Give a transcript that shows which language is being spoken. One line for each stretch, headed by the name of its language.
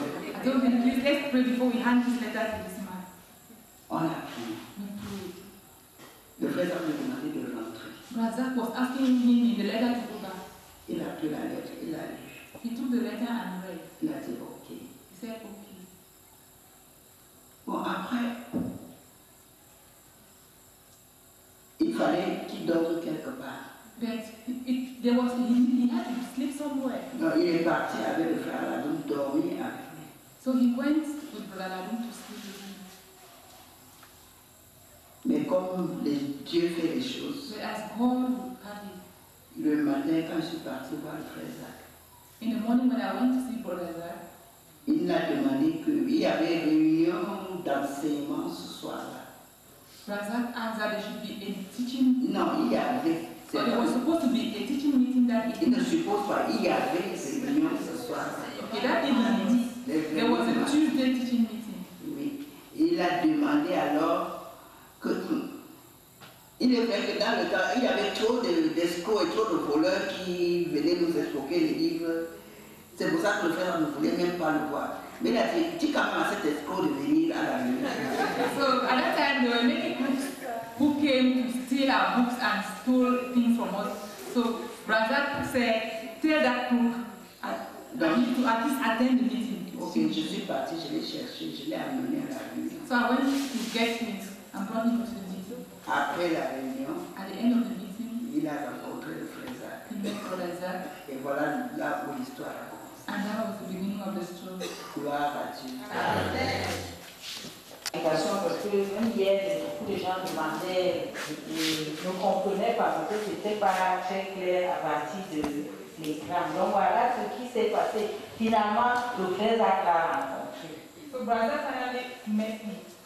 English: I told him, please let's pray before we hand this letter to this man.
French: On a prié. Le frère a demandé de rentrer.
English: Brother was asking him in the letter to go back.
French: Il a pris la lettre, il a lu.
English: He took the letter and read.
French: Il a dit ok.
English: He said ok.
French: Bon, après, il fallait qu'il dorme quelque part.
English: But he had to sleep somewhere.
French: Non, il est parti avec le frère Aladou dormir avec lui.
English: So he went with brother Aladou to sleep with him.
French: Mais comme les dieux font les choses.
English: But as God had it.
French: Le matin quand je suis parti voir le frère Zach.
English: In the morning when I went to see brother Zach.
French: Il m'a demandé que il y avait réunion d'enseignement ce soir.
English: Razak asked that there should be a teaching.
French: Non, il y avait.
English: So there was supposed to be a teaching meeting that evening.
French: Il ne suppose pas, il y avait une réunion ce soir.
English: Okay, that evening, there was a Tuesday teaching meeting.
French: Oui. Il a demandé alors que. Il est vrai que dans le temps, il y avait trop d'escrocs et trop de voleurs qui venaient nous escroquer les livres. C'est pour ça que le frère ne voulait même pas le voir. Mais là, dit, dis quand même à cet escroc de venir à la rue.
English: So, at that time, there were many groups who came to steal our books and stole things from us. So, brother said, tell that group to at least attend the meeting.
French: Ok, je suis parti, je l'ai cherché, je l'ai amené à la rue.
English: So, I went to get him and brought him to the meeting.
French: Après la réunion,
English: at the end of the meeting,
French: il a rencontré le frère Zach.
English: He met brother Zach.
French: Et voilà là où l'histoire a commencé.
English: And that was the beginning of the story.
French: Gloire à Dieu. Amen. Parce que même hier, beaucoup de gens demandaient et ne comprenaient pas parce que ce n'était pas très clair à partir de l'écran. Donc voilà ce qui s'est passé. Finalement, le frère Zach a rencontré.
English: So, brother, finally, met me.